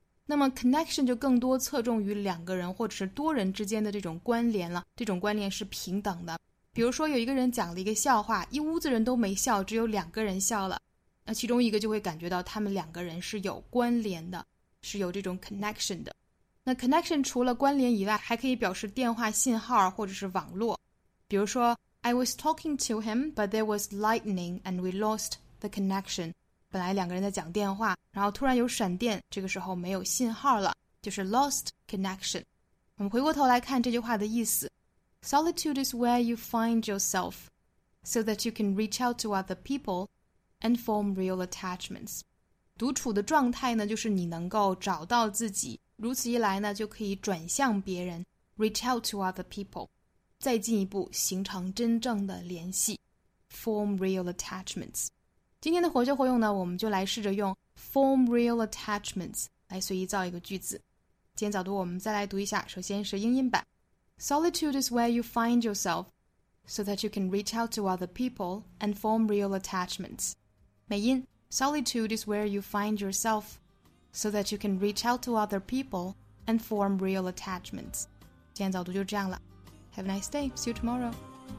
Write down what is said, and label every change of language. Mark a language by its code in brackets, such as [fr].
[zh] 那么 connection 就更多侧重于两个人或者是多人之间的这种关联了，这种关联是平等的。比如说有一个人讲了一个笑话，一屋子人都没笑，只有两个人笑了，那其中一个就会感觉到他们两个人是有关联的，是有这种 connection 的。那 connection 除了关联以外还可以表示电话信号或者是网络，比如说 [en] I was talking to him, but there was lightning and we lost the connection. [zh] 本来两个人在讲电话，然后突然有闪电，这个时候没有信号了，就是 [en] lost connection. [zh] 我们回过头来看这句话的意思。 [en] Solitude is where you find yourself so that you can reach out to other people and form real attachments. [zh] 独处的状态呢，就是你能够找到自己，如此一来呢，就可以转向别人， [en] reach out to other people, [zh] 再进一步形成真正的联系， [en] form real attachments. [zh] 今天的活学活用呢，我们就来试着用 [en] form real attachments [zh] 来随意造一个句子。今天早读我们再来读一下，首先是英音版。 [en] Solitude is where you find yourself so that you can reach out to other people and form real attachments. [zh] 美音 [en] Solitude is where you find yourself so that you can reach out to other people and form real attachments. [zh] 今天早读就这样了。 [en] Have a nice day. See you tomorrow.